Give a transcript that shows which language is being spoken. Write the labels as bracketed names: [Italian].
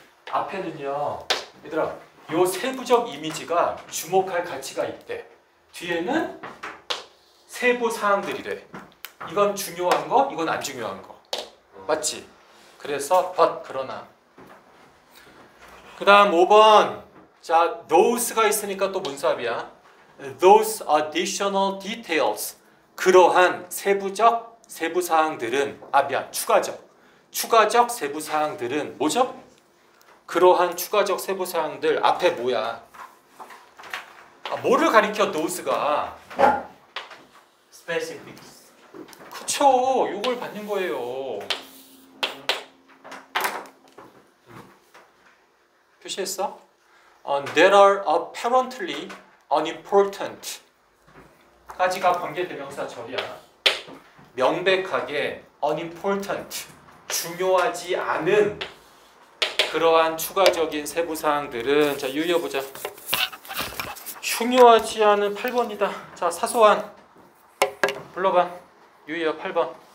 [Korean] 앞에는요 얘들아 요 세부적 이미지가 주목할 가치가 있대. 뒤에는 세부 사항들이래. 이건 중요한 거, 이건 안 중요한 거. 맞지? 그래서 but 그러나. 그다음 5번. 자, those가 있으니까 또 문사비야. [English] Those additional details. [Korean] 그러한 세부적 세부 사항들은 아 미안 추가적. 추가적 세부 사항들은 뭐죠? 그러한 추가적 세부 사항들 앞에 뭐야? 아, 뭐를 가리켜 노스가? [English] specifics. [Korean] 그쵸. 요걸 받는 거예요. 표시했어? [English] There are apparently unimportant. [Korean] 까지가 관계 대명사 절이야. 명백하게 unimportant. 중요하지 않은 그러한 추가적인 세부 사항들은 자 유의해 보자. 중요하지 않은 8번이다. 자 사소한 불러봐. 유의해 8번.